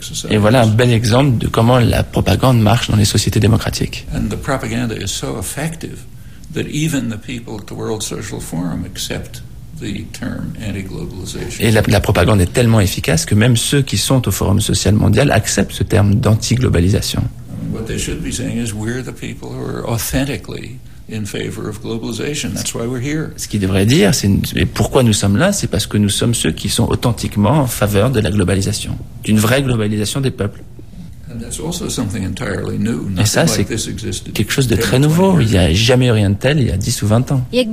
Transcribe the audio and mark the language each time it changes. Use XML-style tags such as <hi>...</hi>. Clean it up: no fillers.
<fr>Et voilà un bel exemple de comment la propagande marche dans les sociétés démocratiques.</fr> <en>And the propaganda is so effective that even the people at the World Social Forum accept the term anti-globalization.</en> <fr>Et la propagande est tellement efficace que même ceux qui sont au Forum social mondial acceptent ce terme d'anti-globalisation.</fr> <en>What they should be saying is we're the people who are authentically in favor of globalization. That's why we're here.</en> <fr>Ce qu'ils devraient dire, c'est mais pourquoi nous sommes là, c'est parce que nous sommes ceux qui sont authentiquement en faveur de la globalisation, d'une vraie globalisation des peuples.</fr> <en>And that's also something entirely new.</en> <fr>Et ça, c'est quelque chose de très nouveau. Il n'y a jamais eu rien de tel il y a 10 ou 20 ans.</fr>